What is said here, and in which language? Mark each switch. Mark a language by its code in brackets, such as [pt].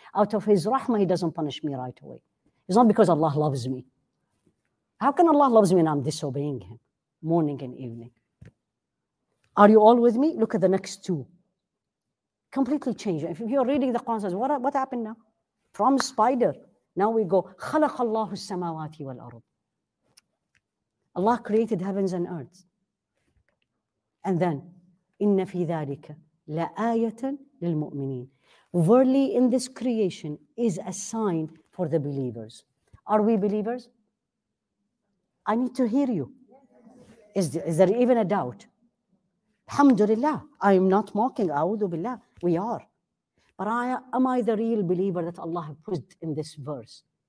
[en] Out of his rahmah, he doesn't punish me right away. It's not because Allah loves me. How can Allah loves me and I'm disobeying him morning and evening? Are you all with me? Look at the next two. Completely changed. If you're reading the Quran, says, what happened now? from spider. Now we go, [ar] خلق الله السماوات والأرض. [en] Allah created heavens and earth. And then, [ar] إن في ذلك لآية للمؤمنين. [en] Verily, in this creation is a sign for the believers. Are we believers? I need to hear you. Is there even a doubt? Alhamdulillah, I am not mocking. A'udhu billah. We are. But am I the real believer that Allah put in this verse?